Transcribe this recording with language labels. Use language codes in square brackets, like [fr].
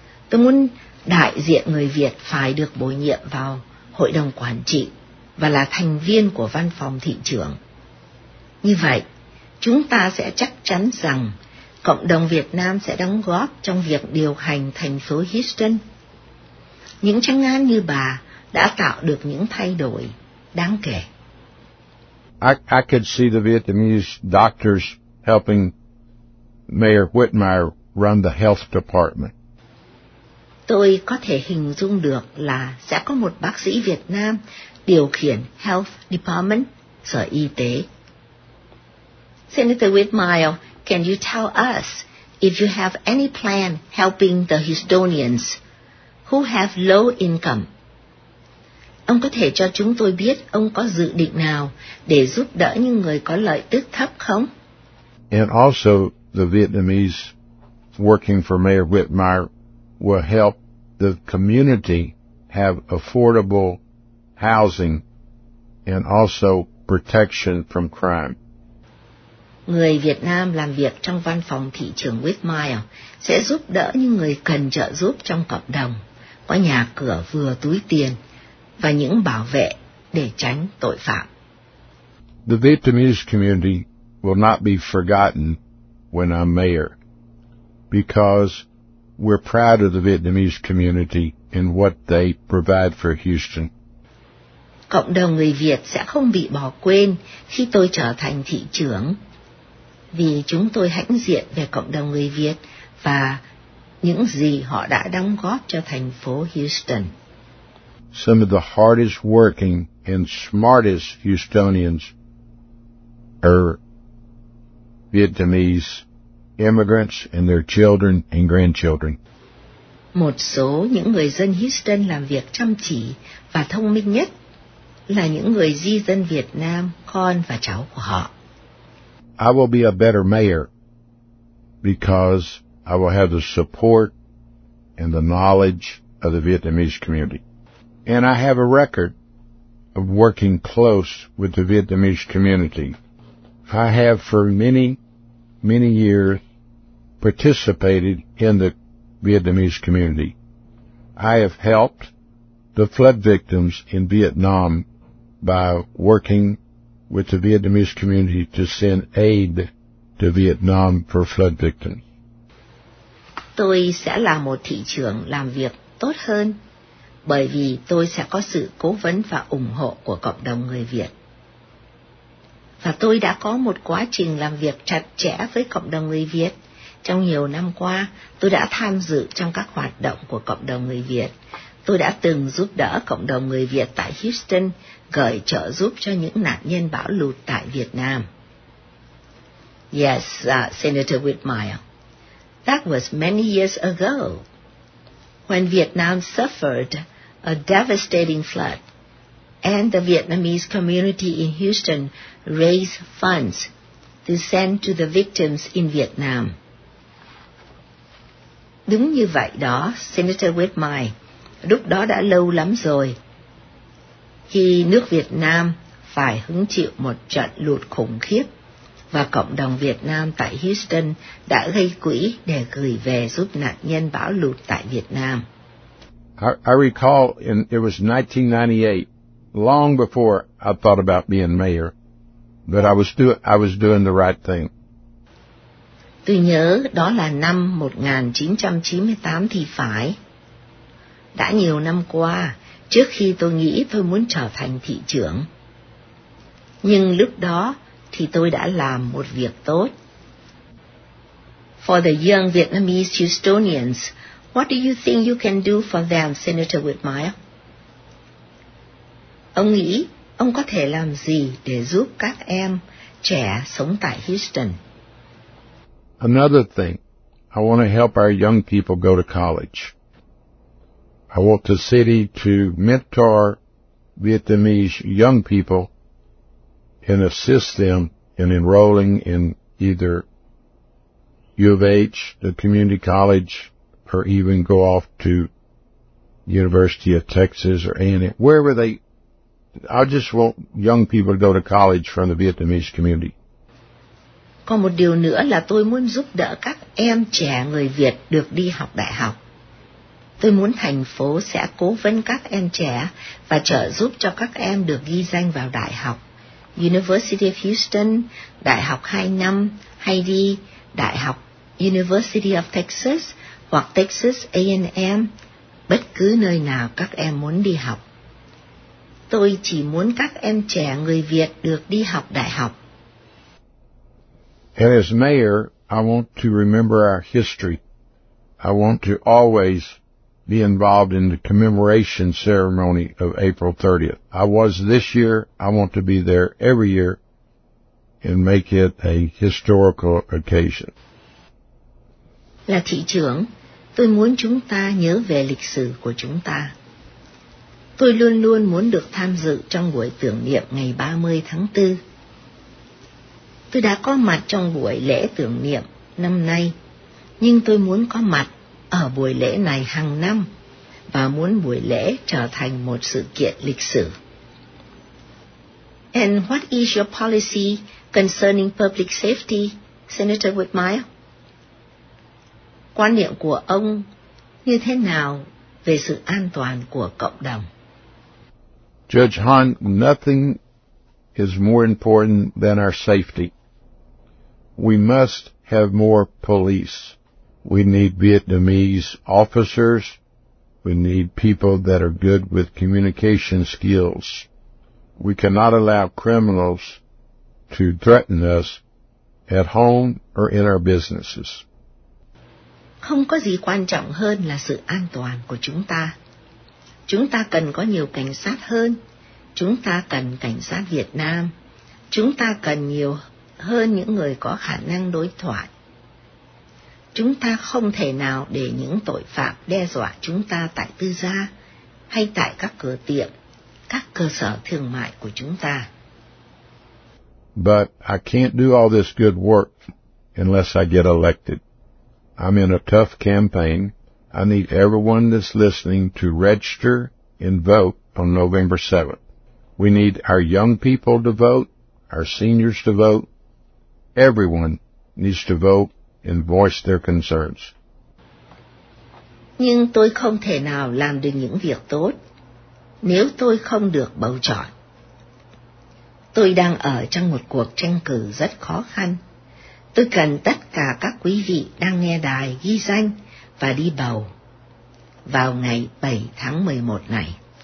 [vi] Tôi muốn đại diện người Việt phải được bổ nhiệm vào hội đồng quản trị và là thành viên của văn phòng thị trưởng. Như vậy, chúng ta sẽ chắc chắn rằng cộng đồng Việt Nam sẽ đóng góp trong việc điều hành thành phố Houston. Những trang ngang như bà đã tạo được những thay đổi đáng kể. [en] I could see the Vietnamese doctors helping Mayor Whitmire run the health department. [vi] Tôi có thể hình dung được là sẽ có một bác sĩ Việt Nam điều khiển [en] health department, [vi] sở y tế. [en] Senator Whitmire, can you tell us if you have any plan helping the Houstonians who have low income? [vi] Ông có thể cho chúng tôi biết ông có dự định nào để giúp đỡ những người có lợi tức thấp không? [en] And also, the Vietnamese working for Mayor Whitmire will help the community have affordable housing and also protection from crime. [vi] Người Việt Nam làm việc trong văn phòng thị trưởng Whitmire sẽ giúp đỡ những người cần trợ giúp trong cộng đồng, có nhà cửa vừa túi tiền và những bảo vệ để tránh tội phạm. [en] The Vietnamese community will not be forgotten when I'm mayor, because we're proud of the Vietnamese community and what they provide for Houston. [vi] Cộng đồng người Việt sẽ không bị bỏ quên khi tôi trở thành thị trưởng, vì chúng tôi hãnh diện về cộng đồng người Việt và những gì họ đã đóng góp cho thành phố Houston. [en] Some of the hardest working and smartest Houstonians are Vietnamese immigrants and their children and grandchildren. [vi] Một số những người dân Houston làm việc chăm chỉ và thông minh nhất là những người di dân Việt Nam, con và cháu của họ. [en] I will be a better mayor because I will have the support and the knowledge of the Vietnamese community. And I have a record of working close with the Vietnamese community. I have for many, many years participated in the Vietnamese community. I have helped the flood victims in Vietnam by working with the Vietnamese community to send aid to Vietnam for flood victims. [vi] Tôi sẽ là một thị trưởng làm việc tốt hơn bởi vì tôi sẽ có sự cố vấn và ủng hộ của cộng đồng người Việt. Và tôi đã có một quá trình làm việc chặt chẽ với cộng đồng người Việt. Trong nhiều năm qua, tôi đã tham dự trong các hoạt động của cộng đồng người Việt. Tôi đã từng giúp đỡ cộng đồng người Việt tại Houston gửi trợ giúp cho những nạn nhân bão lụt tại Việt Nam. [en] Yes, Senator Whitmire. That was many years ago, when Vietnam suffered a devastating flood, and the Vietnamese community in Houston raised funds to send to the victims in Vietnam. [vi] Đúng như vậy đó, Senator Whitmire, lúc đó đã lâu lắm rồi, khi nước Việt Nam phải hứng chịu một trận lụt khủng khiếp. Và cộng đồng Việt Nam tại Houston đã gây quỹ để gửi về giúp nạn nhân bão lụt tại Việt Nam. [en] I recall it was 1998, long before I thought about being mayor, but I was doing the right thing. [vi] Tôi nhớ đó là năm 1998 thì phải. Đã nhiều năm qua, trước khi tôi nghĩ tôi muốn trở thành thị trưởng. Nhưng lúc đó, thì tôi đã làm một việc tốt. [en] For the young Vietnamese Houstonians, what do you think you can do for them, Senator Whitmire? [vi] Ông nghĩ ông có thể làm gì để giúp các em trẻ sống tại Houston? [en] Another thing, I want to help our young people go to college. I want the city to mentor Vietnamese young people and assist them in enrolling in either U of H, the community college, or even go off to University of Texas or A&M, wherever they, I just want young people to go to college from the Vietnamese community. [vi] Còn một điều nữa là tôi muốn giúp đỡ các em trẻ người Việt được đi học đại học. Tôi muốn thành phố sẽ cố vấn các em trẻ và trợ giúp cho các em được ghi danh vào đại học. University of Houston, Đại học 2 năm, hay đi Đại học University of Texas hoặc Texas A&M, bất cứ nơi nào các em muốn đi học. Tôi chỉ muốn các em trẻ người Việt được đi học đại học. [en] And as mayor, I want to remember our history. I want to always be involved in the commemoration ceremony of April 30th. I was this year. I want to be there every year and make it a historical occasion. [vi] Là thị trưởng, tôi muốn chúng ta nhớ về lịch sử của chúng ta. Tôi luôn luôn muốn được tham dự trong buổi tưởng niệm ngày 30 tháng 4. Tôi đã có mặt trong buổi lễ tưởng niệm năm nay, nhưng tôi muốn có mặt ở buổi lễ này hàng năm và muốn buổi lễ trở thành một sự kiện lịch sử. [en] And what is your policy concerning public safety, Senator Whitmire? [vi] Quan niệm của ông như thế nào về sự an toàn của cộng đồng? [en] Judge Hunt, nothing is more important than our safety. We must have more police. We need Vietnamese officers. We need people that are good with communication skills. We cannot allow criminals to threaten us at home or in our businesses. [vi] Không có gì quan trọng hơn là sự an toàn của chúng ta. Chúng ta cần có nhiều cảnh sát hơn. Chúng ta cần cảnh sát Việt Nam. Chúng ta cần nhiều hơn những người có khả năng đối thoại. Chúng ta không thể nào để những tội phạm đe dọa chúng ta tại tư gia hay tại các cửa tiệm, các cơ sở thương mại của chúng ta. [en] But I can't do all this good work unless I get elected. I'm in a tough campaign. I need everyone that's listening to register and vote on November 7th. We need our young people to vote, our seniors to vote. Everyone needs to vote and voice their concerns. [vi] Nhưng tôi không thể nào làm được những việc tốt nếu tôi không được bầu chọn. Tôi đang ở trong một cuộc tranh cử rất khó khăn. Tôi cần tất cả các quý vị đang nghe đài ghi danh và đi bầu vào ngày 7 tháng 11 này.